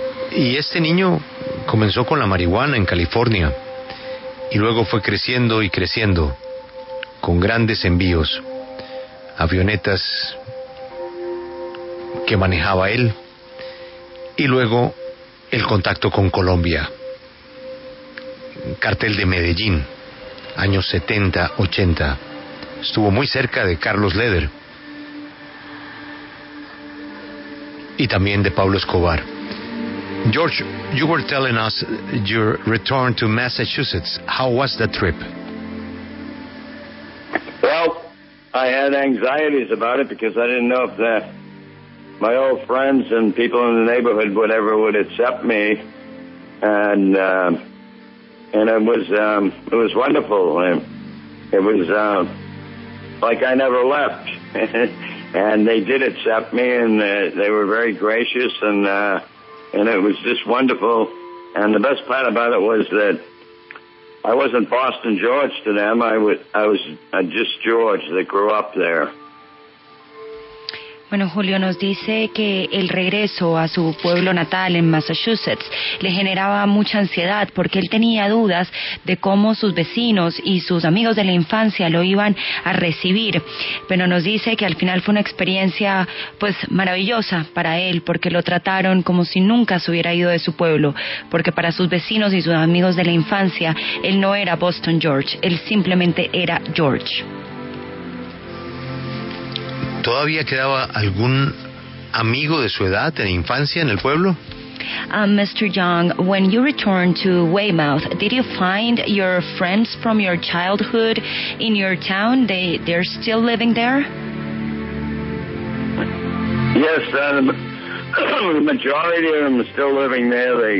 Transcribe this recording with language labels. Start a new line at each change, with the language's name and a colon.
Spanish: Y este niño comenzó con la marihuana en California y luego fue creciendo y creciendo con grandes envíos, avionetas que manejaba él y luego el contacto con Colombia. Cartel de Medellín, años 70-80. Estuvo muy cerca de Carlos Leder y también de Pablo Escobar.
English: George, you were telling us your return to Massachusetts. How was the trip? Well, I had anxieties about it because I didn't know if my old friends and people in the neighborhood would ever would accept me. And it was wonderful. It was like I never left. And they did accept me, and they were very gracious, and it was just wonderful. And the best part about it was that I wasn't Boston George to them. I was just George that grew up there.
Spanish: Bueno, Julio, nos dice que el regreso a su pueblo natal en Massachusetts le generaba mucha ansiedad porque él tenía dudas de cómo sus vecinos y sus amigos de la infancia lo iban a recibir. Pero nos dice que al final fue una experiencia pues maravillosa para él porque lo trataron como si nunca se hubiera ido de su pueblo, porque para sus vecinos y sus amigos de la infancia él no era Boston George, él simplemente era George. ¿Todavía quedaba algún amigo de su edad en infancia en el pueblo?
English: Mr. Young, when you returned to Weymouth, did you find your friends from your childhood in your town? They're still living there? Yes, the majority of them are still living there.